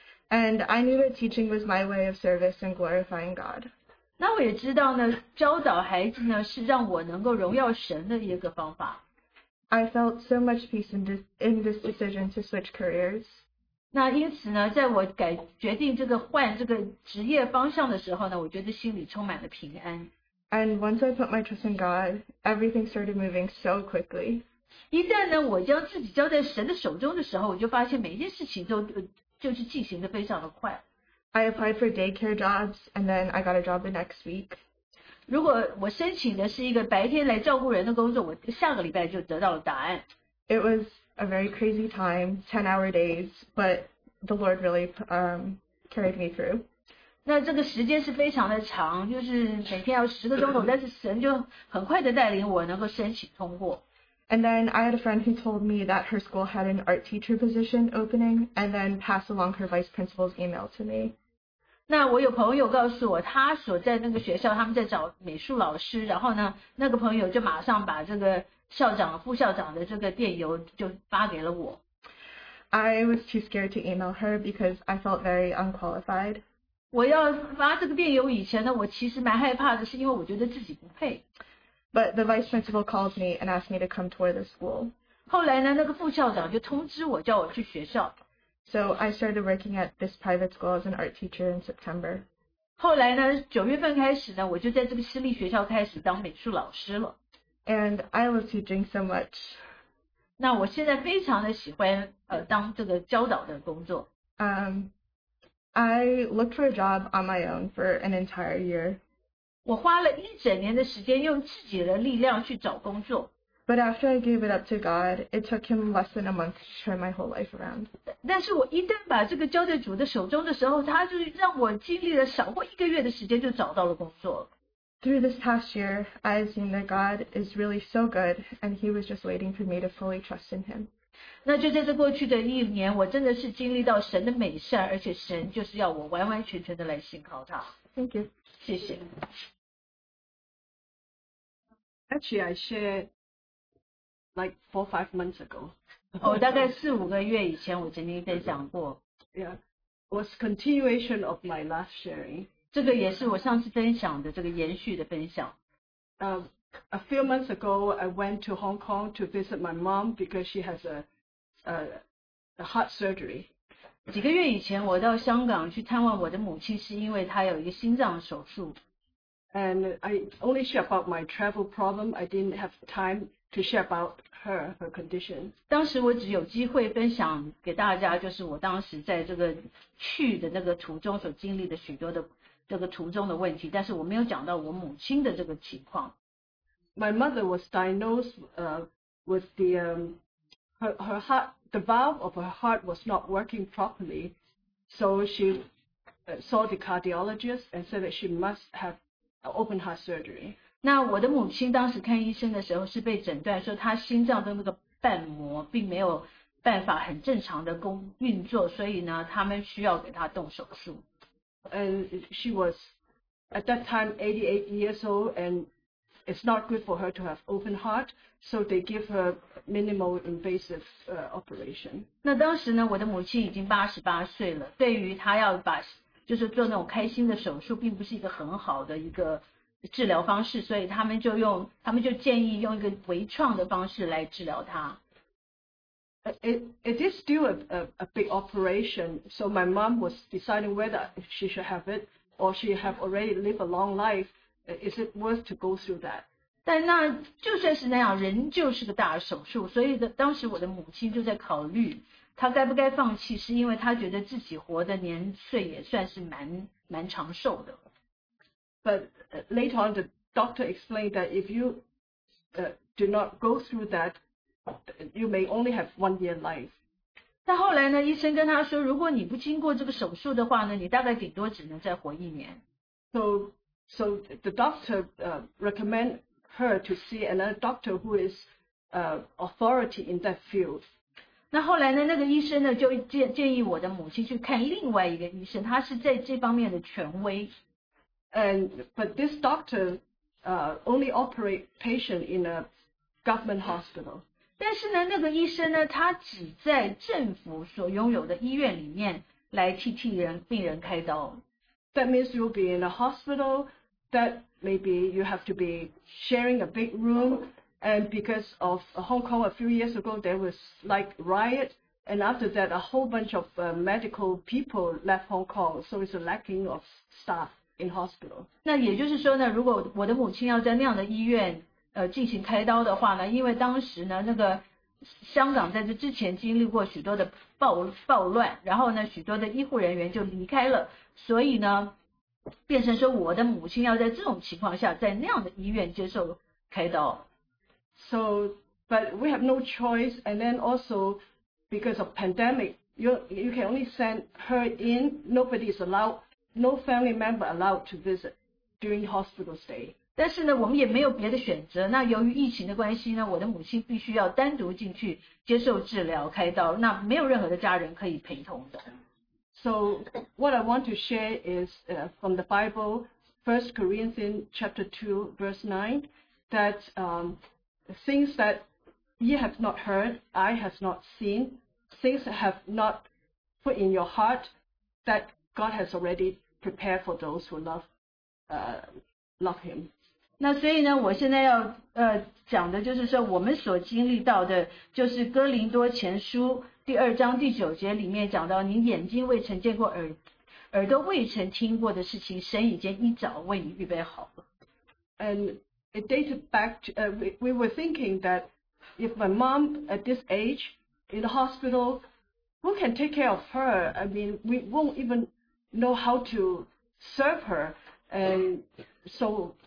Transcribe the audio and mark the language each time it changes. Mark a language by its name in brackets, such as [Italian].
[English] And I knew that teaching was my way of service and glorifying God. [Chinese] 那我也知道呢，教导孩子呢是让我能够荣耀神的一个方法。 [English] I felt so much peace in this decision to switch careers. [Chinese] 那因此呢，在我改决定这个换这个职业方向的时候呢，我觉得心里充满了平安。 [English] And once I put my trust in God, everything started moving so quickly. [Chinese] 一旦呢，我将自己交在神的手中的时候，我就发现每一件事情都就是进行的非常的快。 [English] I applied for daycare jobs, and then I got a job the next week. [Chinese] 如果我申请的是一个白天来照顾人的工作，我下个礼拜就得到了答案。 [English] It was a very crazy time, 10-hour days, but the Lord really carried me through. [Chinese] 那这个时间是非常的长，就是每天要十个钟头，但是神就很快的带领我能够申请通过。 [English] And then I had a friend who told me that her school had an art teacher position opening and then passed along her vice principal's email to me. [Chinese] 那我有朋友告诉我他所在那个学校他们在找美术老师然后呢那个朋友就马上把这个校长副校长的这个电邮就发给了我。 [English] I was too scared to email her because I felt very unqualified. [Chinese] 我要发这个电邮以前呢我其实蛮害怕的是因为我觉得自己不配。 [English] But the vice principal called me and asked me to come tour the school. [Chinese] 后来呢，那个副校长就通知我，叫我去学校。 [English] So I started working at this private school as an art teacher in September. [Chinese] 后来呢，九月份开始呢，我就在这个私立学校开始当美术老师了。 [English] And I love teaching so much. [Chinese] 那我现在非常的喜欢当这个教导的工作。 [English] I looked for a job on my own for an entire year. [Chinese] 我花了一整年的时间用自己的力量去找工作。 [English] But after I gave it up to God, it took him less than a month to turn my whole life around. [Chinese] 但是我一旦把这个交在主的手中的时候，他就让我经历了少过一个月的时间就找到了工作。 [English] Through this past year, I have seen that God is really so good, and he was just waiting for me to fully trust in him. [Chinese] 那就在这过去的一年，我真的是经历到神的美善，而且神就是要我完完全全的来信靠他。 [English] Thank you. [Chinese] 谢谢。 [English] Actually, I shared like 4 or 5 months ago. [Chinese] 我大概四五个月以前我曾经分享过。 [English] Yeah, was continuation of my last sharing. [Chinese] 这个也是我上次分享的这个延续的分享。 [English] A few months ago, I went to Hong Kong to visit my mom because she has a heart surgery. [Chinese] 几个月以前，我到香港去探望我的母亲，是因为她有一个心脏手术。 [English] And I only share about my travel problem. I didn't have time to share about her condition. [Chinese] 当时我只有机会分享给大家，就是我当时在这个去的那个途中所经历的许多的这个途中的问题，但是我没有讲到我母亲的这个情况。 [English] My mother was diagnosed with her heart. The valve of her heart was not working properly, so she saw the cardiologist and said that she must have open heart surgery. [Chinese] 那我的母亲当时看医生的时候是被诊断说她心脏的那个瓣膜并没有办法很正常的运作，所以呢，他们需要给她动手术。 [English] And she was at that time 88 years old, and it's not good for her to have open heart. So they give her minimal invasive operation. [Chinese] 那当时呢，我的母亲已经88岁了。对于她要把，就是做那种开心的手术，并不是一个很好的一个治疗方式，所以他们就建议用一个微创的方式来治疗她。 [English] It is still a big operation. So my mom was deciding whether she should have it or she have already lived a long life. Is it worth to go through that? [Chinese] 但那就算是那样，人就是个大手术，所以当时我的母亲就在考虑，她该不该放弃，是因为她觉得自己活的年岁也算是蛮长寿的。 [English] But later on, the doctor explained that if you do not go through that, you may only have 1 year life. [Chinese] 但后来呢，医生跟她说，如果你不经过这个手术的话呢，你大概顶多只能再活一年。 [English] So the doctor recommend. Her to see another doctor who is authority in that field. [Chinese] 那后来呢？那个医生呢，就建议我的母亲去看另外一个医生，他是在这方面的权威。 [English] But this doctor only operate patient in a government hospital. [Chinese] 但是呢，那个医生呢，他只在政府所拥有的医院里面来替病人开刀。 [English] That means you'll be in a hospital. that maybe you have to be sharing a big room. And because of Hong Kong a few years ago, there was like riot. And after that, a whole bunch of medical people left Hong Kong. So it's a lacking of staff in hospital. [Chinese] 那也就是说呢，如果我的母亲要在那样的医院进行开刀的话呢，因为当时呢那个香港在这之前经历过许多的暴乱，然后呢许多的医护人员就离开了，所以呢变成说我的母亲要在这种情况下在那样的医院接受开刀。 [English] So, but we have no choice, and then also because of pandemic, you can only send her in. Nobody is allowed, no family member allowed to visit during hospital stay. [Chinese] 但是呢，我们也没有别的选择。那由于疫情的关系呢，我的母亲必须要单独进去接受治疗、开刀。那没有任何的家人可以陪同的。 [English] So what I want to share is from the Bible, 1 Corinthians chapter 2, verse 9, that things that ye have not heard, I have not seen, things that have not put in your heart, that God has already prepared for those who love Him. [Chinese] 那所以呢，我现在要讲的就是说，我们所经历到的，就是哥林多前书第二章第九节里面讲到，你眼睛未曾见过，耳朵未曾听过的事情，神已经一早为你预备好了。 [English] And it dated back to we were thinking that if my mom at this age in the hospital, who can take care of her? I mean, we won't even know how to serve her, and so.